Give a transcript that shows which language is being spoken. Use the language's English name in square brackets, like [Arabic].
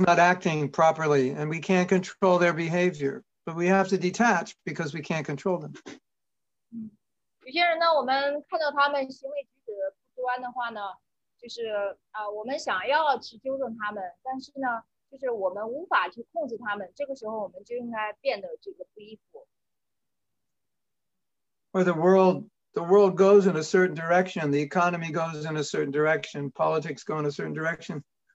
[English] not acting properly and we can't control their behavior, but we have to detach because we can't control them. [Chinese] 有些人呢,我们看到他们行为举止不端的话呢,就是我们想要去纠正他们,但是呢,就是我们无法去控制他们,这个时候我们就应该变得这个不依附。 [English] Or the world goes in a certain direction, the economy goes in a certain direction, politics go in a certain direction.